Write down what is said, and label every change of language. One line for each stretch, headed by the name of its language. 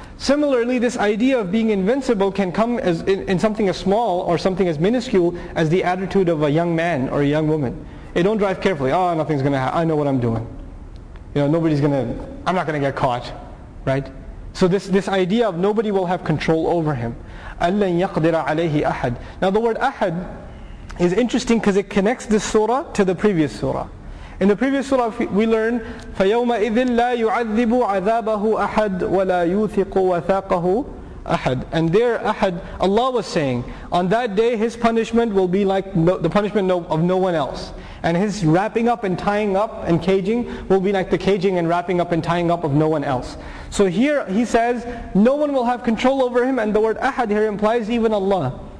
English: Similarly, this idea of being invincible can come as in something as small or something as minuscule as the attitude of a young man or a young woman. Hey, don't drive carefully. Oh, nothing's going to happen. I know what I'm doing. You know, I'm not going to get caught. Right? So this idea of nobody will have control over him.
Arabic: أَلَّن يَقْدِرَ عَلَيْهِ أَحَدٍ.
English: Now the word أَحَدٍ is interesting because it connects this surah to the previous surah. In the previous surah, we learn,
Arabic: فَيَوْمَئِذٍ لَا يُعَذِّبُ عَذَابَهُ أَحَدٌ وَلَا يُوثِقُ وَثَاقَهُ أَحَدٌ.
English: And there, أَحَد, Allah was saying, on that day, His punishment will be like the punishment of no one else. And His wrapping up and tying up and caging will be like the caging and wrapping up and tying up of no one else. So here He says, no one will have control over Him, and the word أَحَد here implies even Allah.